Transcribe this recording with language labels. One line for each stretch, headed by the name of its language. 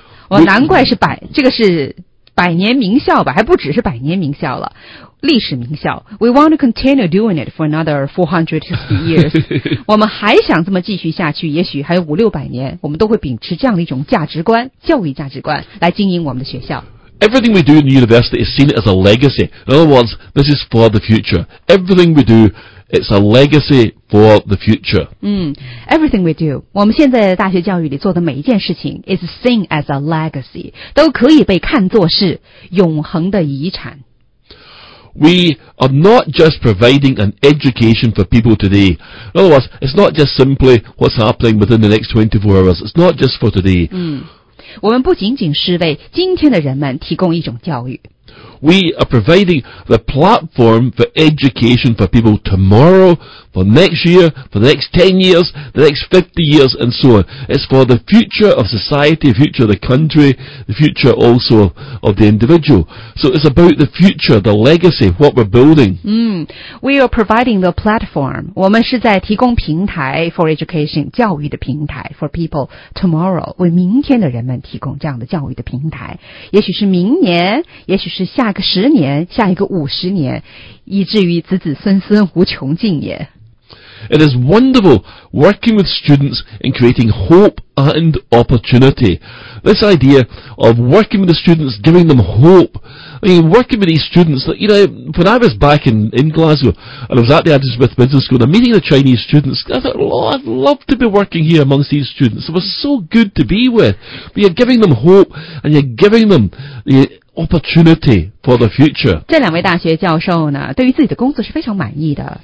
Chinese: 我难怪是这个是百年名校吧，还不只是百年名校了，历史名校。
English: We want to continue doing it for another 450 years.
Chinese: 我们还想这么继续下去，也许还有五六百年，我们都会秉持这样的一种价值观，教育价值观来经营我们的学校。
English: Everything we do in the university is seen as a legacy. In other words, this is for the future. Everything we do, it's a legacy for the future. Everything we do,
Chinese: 我们现在大学教育里做的每一件事情
English: is seen as a legacy,
Chinese: 都可以被看作是永恒的遗产。
English: We are not just providing an education for people today. In other words, it's not just simply what's happening within the next 24 hours. It's not just for today.
Chinese: 我们不仅仅是为今天的人们提供一种教育。
English: We are providing the platform for education for people tomorrow, for next year, for the next 10 years, the next 50 years, and so on. It's for the future of society, future of the country, the future also of the individual. So it's about the future, the legacy, what we're building. We are providing the platform.
Chinese: 我们是在提供平台
English: for education,
Chinese: 教育的平台
English: for people tomorrow,
Chinese: 为明天的人们提供这样的教育的平台。也许是明年，也许是下个十年，下一个五十年，以至于子子孙孙无穷尽也。
English: It is wonderful working with students in creating hope and opportunity. This idea of working with the students, giving them hope. I mean, working with these students, you know, when I was back in Glasgow, and I was at the Adam Smith Business School, and I'm meeting the Chinese students, I thought, oh, I'd love to be working here amongst these students. It was so good to be with. But you're giving them hope, and you're giving them the opportunity for the future.
Chinese: 这两位大学教授呢，对于自己的工作是非常满意的。